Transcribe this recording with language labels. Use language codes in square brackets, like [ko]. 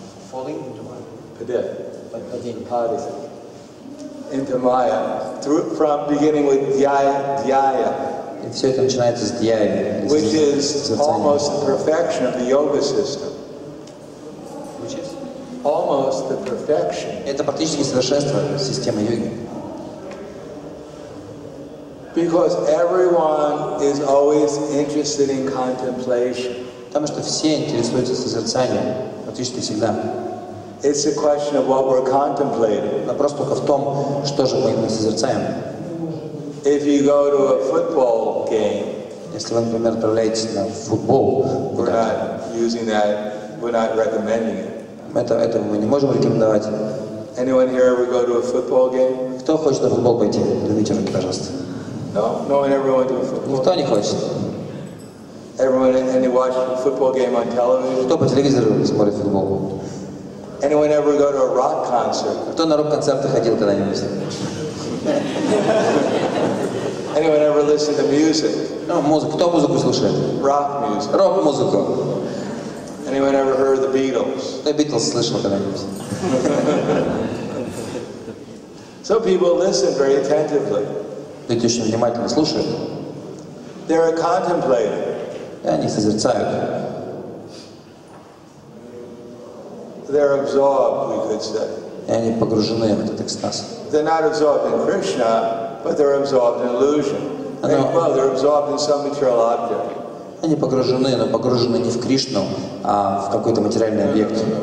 [en] Falling into my Into майя. Through from beginning with dhyaya. [ru] И все это начинается с dhyaya. [en] Which is almost the perfection of the yoga system. Which is almost the perfection. [ru] Это практически совершенство системы йоги. [en] Because everyone is always interested in contemplation. [ru] Потому что все интересуются созерцанием, практически всегда. [en] It's a question of what we're contemplating. [ru] Вопрос только в том, что же мы созерцаем. [en] If you go to a football game, [ru] если вы, например, отправляетесь на футбол, [en] we're not using that, we're not recommending it. [ru] Это мы не можем рекомендовать. [en] Anyone here ever go to a football game? [ru] Кто хочет на футбол пойти? Поднимите руки, пожалуйста. [en] No, no one ever went to a football. [ru] Никто не хочет. [en] Anyone watch a football game on television? [ru] Кто по телевизору смотрит футбол? [en] Anyone ever go to a rock concert? [ru] Кто на рок-концерты ходил когда-нибудь? [en] Anyone ever listen to music? [ru] Ну, музыку. Кто музыку слушает? [en] Rock music. [ru] Рок-музыку. [en] Anyone ever heard of the Beatles? [ru] Кто Beatles слышал когда-нибудь? [en] So people listen very attentively. [ru] Люди очень внимательно слушают. [en] They're contemplating. [ru] И они созерцают. [en] They're absorbed, we could say. [ru] И они погружены в этот экстаз. [en] They're not absorbed in Krishna, but they're absorbed in illusion. They're absorbed in some material object. [ru] Они погружены, но погружены не в Кришну, а в какой-то материальный объект.